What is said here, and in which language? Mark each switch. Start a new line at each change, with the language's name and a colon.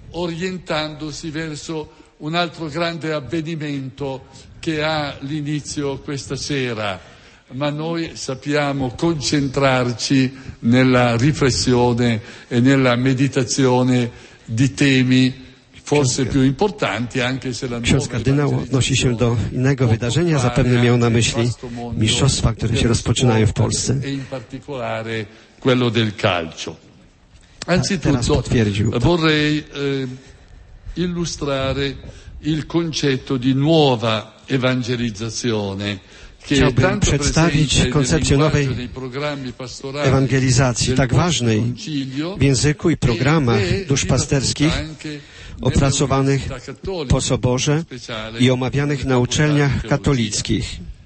Italian: orientandosi verso un altro grande avvenimento che ha l'inizio questa sera, ma noi sappiamo concentrarci nella riflessione e nella meditazione di temi forse più importanti, anche se la
Polish: ksiądz kardynał odnosi się do innego wydarzenia, zapewne miał na myśli mistrzostwa, które się rozpoczynają w Polsce.
Italian: E in particolare quello del calcio. Anzitutto vorrei illustrare il concetto di nuova evangelizzazione.
Polish: Chciałbym przedstawić koncepcję nowej ewangelizacji, tak ważnej w języku i programach duszpasterskich, opracowanych po soborze i omawianych na uczelniach katolickich.